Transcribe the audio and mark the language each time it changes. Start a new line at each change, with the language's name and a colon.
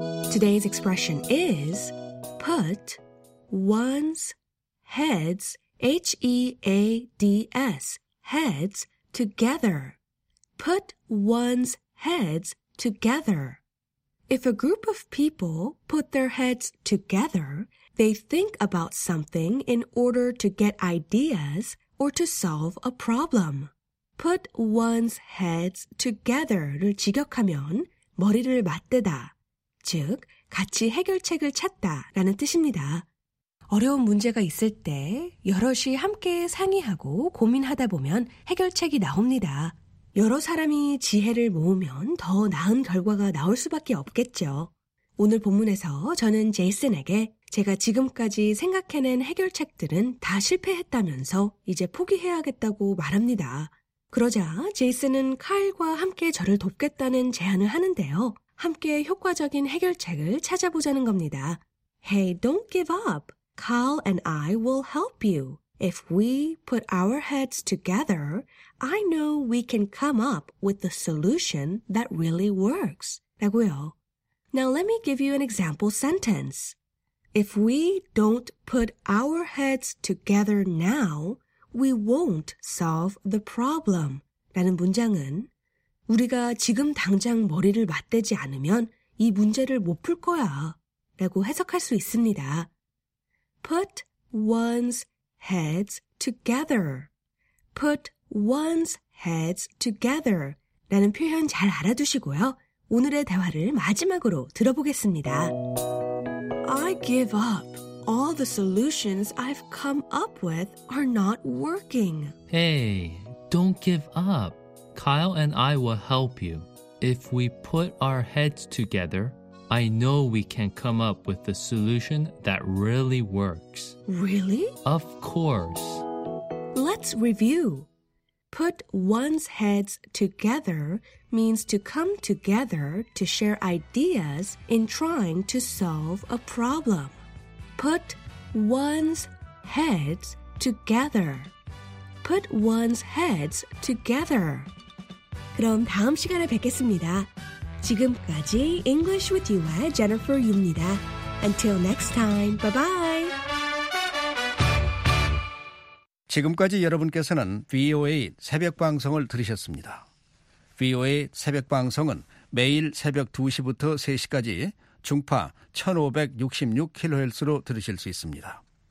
English: Today's expression is put one's heads, H-E-A-D-S, heads together. Put one's heads together. If a group of people put their heads together, they think about something in order to get ideas or to solve a problem. Put one's heads together
Korean: 를 직역하면 머리를 맞대다. 즉, 같이 해결책을 찾다라는 뜻입니다. 어려운 문제가 있을 때 여럿이 함께 상의하고 고민하다 보면 해결책이 나옵니다. 여러 사람이 지혜를 모으면 더 나은 결과가 나올 수밖에 없겠죠. 오늘 본문에서 저는 제이슨에게 제가 지금까지 생각해낸 해결책들은 다 실패했다면서 이제 포기해야겠다고 말합니다. 그러자 제이슨은 카일과 함께 저를 돕겠다는 제안을 하는데요. 함께 효과적인 해결책을 찾아보자는 겁니다.
English: Hey, don't give up. Kyle and I will help you. If we put our heads together, I know we can come up with a solution that really works.
Korean: 라고요.
English: Now let me give you an example sentence. If we don't put our heads together now, we won't solve the problem.
Korean: 라는 문장은 우리가 지금 당장 머리를 맞대지 않으면 이 문제를 못 풀 거야. 라고 해석할 수 있습니다.
English: Put one's heads together. Put one's heads together.
Korean: 라는 표현 잘 알아두시고요. 오늘의 대화를 마지막으로 들어보겠습니다.
English: I give up. All the solutions I've come up with are not working. Hey, don't give up. Kyle and I will help you. If we put our heads together, I know we can come up with a solution that really works. Really? Of course. Let's review. Put one's heads together means to come together to share ideas in trying to solve a problem. Put one's heads together. Put one's heads together.
Korean: 그럼 다음 시간에 뵙겠습니다. 지금까지 English with You의 Jennifer Yu입니다.
English: Until next time, bye-bye!
Korean: 지금까지 여러분께서는 VOA 새벽 방송을 들으셨습니다. VOA 새벽 방송은 매일 새벽 2시부터 3시까지 중파 1566kHz로 들으실 수 있습니다.